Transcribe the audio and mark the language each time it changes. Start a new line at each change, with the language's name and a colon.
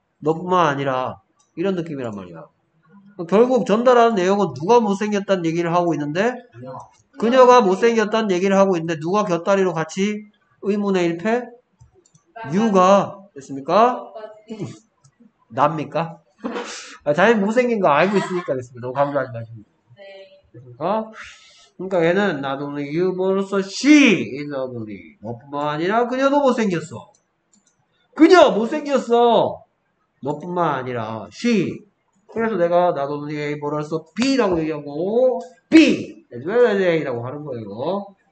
Korean: 너뿐만 아니라 이런 느낌이란 말이야. 결국 전달하는 내용은 누가 못생겼다는 얘기를 하고 있는데 그녀가 못생겼다는 얘기를 하고 있는데 누가 곁다리로 같이 의문의 일패? 유가 됐습니까? 납니까? 당연히 못생긴 거 알고 있으니까 됐습니다. 너무 감사합니다. 네. 됐습니까? 그러니까 얘는
English: not only you but also she is ugly.
Korean: 너뿐만 아니라 그녀도 못생겼어. 그녀 못생겼어. 너뿐만 아니라 she. 그래서 내가
English: not only a but also b
Korean: 라고 얘기하고
English: b as well as a
Korean: 라고 하는 거예요.